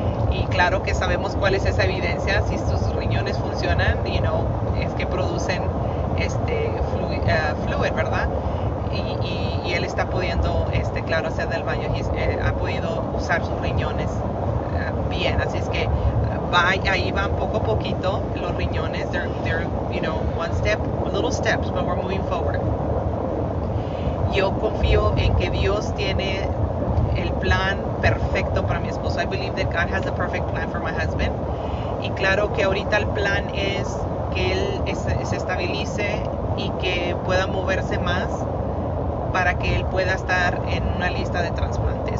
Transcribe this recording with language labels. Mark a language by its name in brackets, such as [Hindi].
[Spanish] Y claro que sabemos cuál es esa evidencia. Si sus riñones funcionan, you know, es que producen fluid, ¿verdad? Y él está pudiendo, claro, hacer del baño. Ha podido usar sus riñones bien. Así es que ahí van poco a poquito los riñones. [English] They're, you know, one step, little steps, but we're moving forward. [Spanish] Yo confío en que Dios tiene el plan perfecto para mi esposo. [English] I believe that God has the perfect plan for my husband. [Spanish] Y claro que ahorita el plan es que él se estabilice y que pueda moverse más para que él pueda estar en una lista de trasplantes.